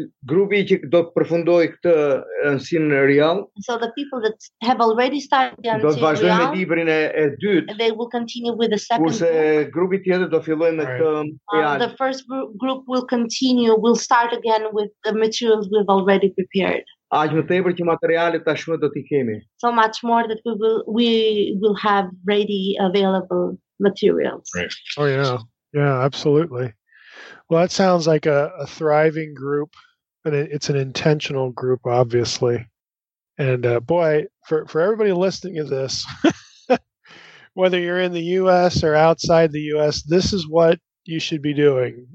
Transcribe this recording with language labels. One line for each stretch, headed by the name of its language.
Albanian: Grupi që do të përfundojë këtë Unseen Realm.
English: So the people that have already started The Unseen Realm,
Albanian: do vazhdojnë librin e dytë.
English: They will continue with the second book.
Albanian: Grupi tjetër do fillojë me këtë.
English: The first group will continue. We'll start again with the materials we've already prepared.
Albanian: Aq më tepër që materialet tashmë do t'i kemi.
English: So much more that we will have ready available materials. Right. Oh yeah. Yeah, absolutely. Well, that sounds like a thriving group, and it's an intentional group, obviously. And boy, for everybody listening to this, whether you're in the US or outside the US, this is what you should be doing.